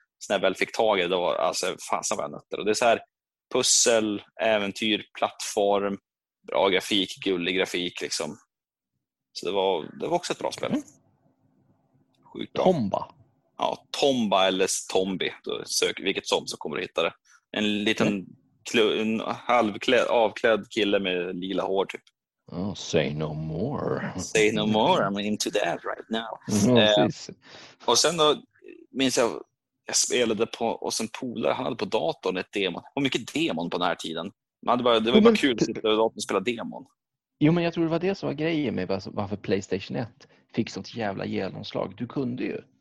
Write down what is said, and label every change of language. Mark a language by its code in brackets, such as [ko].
[sv] Så när jag väl fick tag i det, var alltså fasen vad jag nötter. Och det är så här pussel, äventyr, plattform, bra grafik, gullig grafik liksom. Så det var också ett bra spel. Sjukt bra. Tomba. Ja, Tomba eller Tombi, då söker vilket som så kommer du hitta det. En liten en halvklädd avklädd kille med lila hår typ. [en] Oh, say no more. Say no more, I'm into that right now. [sv] Och sen då minns jag spelade på, och sen polare hade på datorn ett demon. Det var mycket demon på den här tiden. Det var bara kul att sitta och spela demon. Jo, men jag tror det var det som var grejen med varför PlayStation 1 fick sånt jävla genomslag. Du kunde ju.